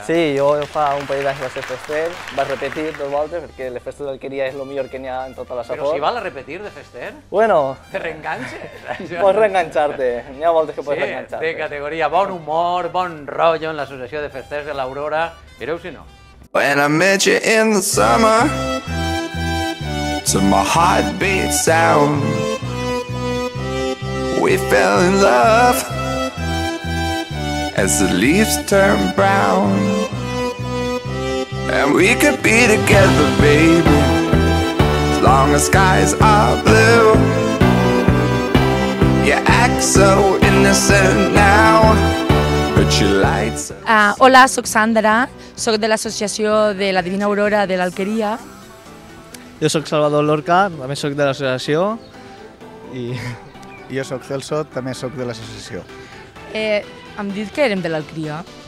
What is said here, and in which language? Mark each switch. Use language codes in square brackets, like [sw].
[ca] Sí, jo fa un parell d'anys vaig ser fester, vaig repetir dos voltes, perquè les festes d'alqueria és el millor que n'hi ha en tota la Safor. Però si val a repetir de fester? Bueno. Te reenganxes? Pots reenganxar-te, n'hi ha voltes que sí, pots reenganxar-te. Sí, té categoria, bon humor, bon rotllo en l'associació de festers de l'Aurora. Mireu si no. [en] When I met you in the summer, to my heartbeat sound, we fell in love as the leaves turn brown. And we could be together, baby, as long as skies are blue. You act so innocent now, but you lied so soon. [ca] Hola, sóc Sandra, sóc de l'associació de la Divina Aurora de l'Alqueria. Jo sóc Salvador Lorca, també sóc de l'associació. I jo sóc Celso, també sóc de l'associació. Hem dit que érem de l'Alqueria.